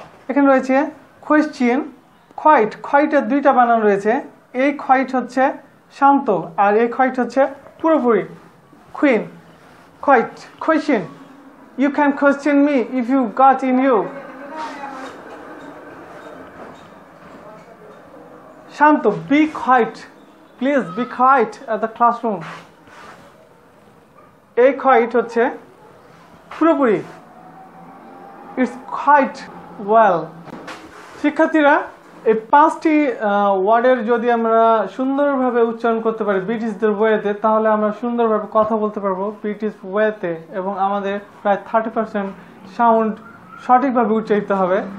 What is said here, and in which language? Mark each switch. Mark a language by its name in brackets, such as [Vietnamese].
[Bangla] এখানে রয়েছে question, quiet, quiet এর দুইটা বানান রয়েছে, এই quiet হচ্ছে শান্ত আর এই quiet হচ্ছে পুরোপুরি। [English] Queen, quiet, question, you can question me if you got in you. শান্ত, be quiet please, be quiet at the classroom. [Bangla] এই কোয়াইট হচ্ছে পুরোপুরি, [English] It's quiet well. [Bangla] শিক্ষার্থীরা, এই পাঁচটি ওয়ার্ডের যদি আমরা সুন্দরভাবে উচ্চারণ করতে পারি ব্রিটিশদের ওয়েতে, তাহলে আমরা সুন্দরভাবে কথা বলতে পারবো ব্রিটিশ ওয়েতে, এবং আমাদের প্রায় 30% সাউন্ড সঠিকভাবে উচ্চারিত হবে।